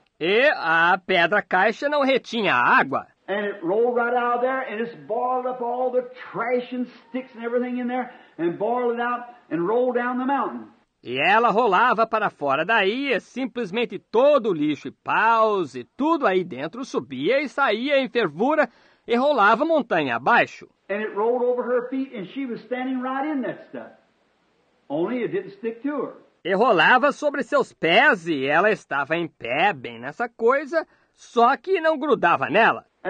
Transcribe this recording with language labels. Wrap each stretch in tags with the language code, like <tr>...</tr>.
<pt>E a pedra caixa não retinha a água.</pt> <en>And it rolled right out of there and it's boiled up all the trash and sticks and everything in there and boiled it out and rolled down the mountain.</en> <pt>E ela rolava para fora daí e simplesmente todo o lixo e paus e tudo aí dentro subia e saía em fervura e rolava montanha abaixo.</pt> <en>And it rolled over her feet and she was standing right in that stuff. Only it didn't stick to her.</en> <pt>E rolava sobre seus pés e ela estava em pé bem nessa coisa, só que não grudava nela.</pt>